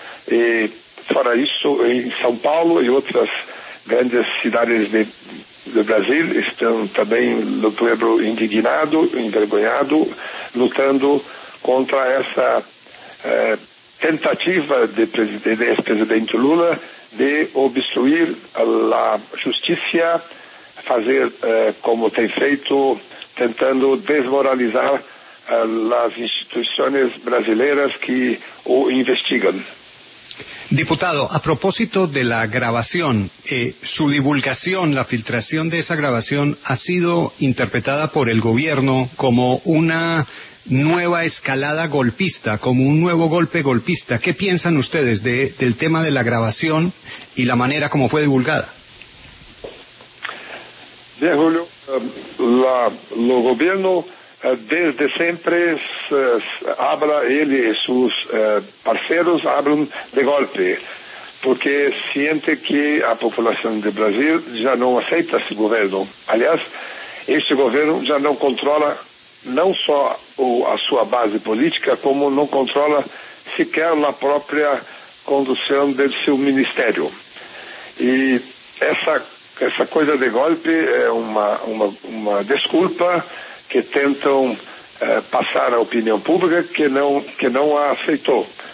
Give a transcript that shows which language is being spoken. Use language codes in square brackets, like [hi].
[pt] E fora isso, em São Paulo e outras grandes cidades do Brasil, estão também no povo indignado, envergonhado, lutando contra essa tentativa de ex-presidente Lula de obstruir a justiça, fazer como tem feito, tentando desmoralizar as instituições brasileiras que o investigam. [es] Diputado, a propósito de la grabación, su divulgación, la filtración de esa grabación ha sido interpretada por el gobierno como una nueva escalada golpista, como un nuevo golpe golpista. ¿Qué piensan ustedes del tema de la grabación y la manera como fue divulgada? Bien, Julio, lo gobierno desde siempre habla, él y sus parceros hablan de golpe, porque siente que la población de Brasil ya no acepta ese gobierno. [pt] Aliás, [es] este gobierno ya no controla [pt] não só a sua base política, como não controla sequer a própria condução do seu ministério. E essa coisa de golpe é uma desculpa que tentam passar à opinião pública que não a aceitou.